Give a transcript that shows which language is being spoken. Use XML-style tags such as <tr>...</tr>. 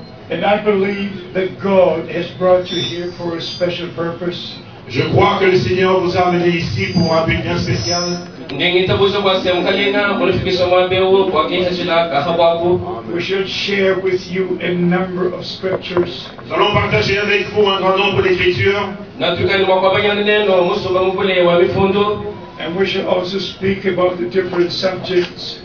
<en>And I believe that God has brought you here for a special purpose.</en> <fr>Je crois que le Seigneur vous a amené ici pour un but bien spécial.</fr> <en>We should share with you a number of scriptures.</en> <fr>Nous allons partager avec vous un grand nombre d'écritures.</fr> <en>And we should also speak about the different subjects.</en>